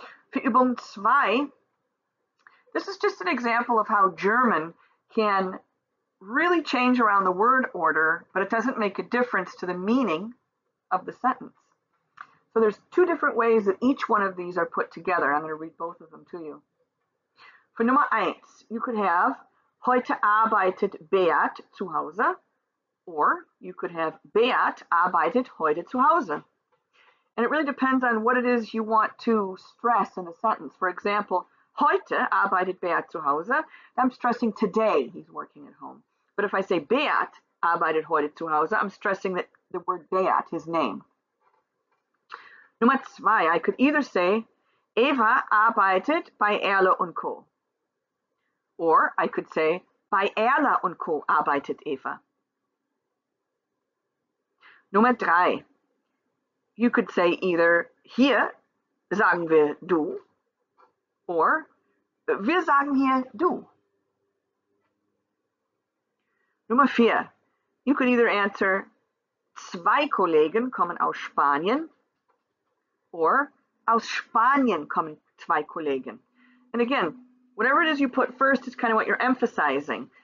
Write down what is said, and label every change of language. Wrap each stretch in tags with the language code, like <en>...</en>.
<de>Für Übung 2,</de> <en>this is just an example of how German can really change around the word order, but it doesn't make a difference to the meaning of the sentence. So there's two different ways that each one of these are put together. I'm going to read both of them to you. For</en> <de>Nummer 1,</de> <en>you could have,</en> <de>heute arbeitet Beat zu Hause,</de> <en>or you could have,</en> <de>Beat arbeitet heute zu Hause.</de> <en>And it really depends on what it is you want to stress in a sentence. For example,</en> <de>heute arbeitet Beat zu Hause.</de> <en>I'm stressing today he's working at home. But if I say</en> <de>Beat arbeitet heute zu Hause,</de> <en>I'm stressing that the word Beat, his name.</en> <de>Nummer zwei,</de> <en>I could either say</en> <de>Eva arbeitet bei Erle und Co.</de> <en>Or I could say</en> <de>bei Erle und Co. arbeitet Eva. Nummer drei,</de> <en>you could say either</en> <de>hier sagen wir du</de> <en>or</en> <de>wir sagen hier du. Nummer vier,</de> <en>you could either answer</en> <de>zwei Kollegen kommen aus Spanien</de> <en>or</en> <de>aus Spanien kommen zwei Kollegen.</de> <en>And again, whatever it is you put first is kind of what you're emphasizing.</en>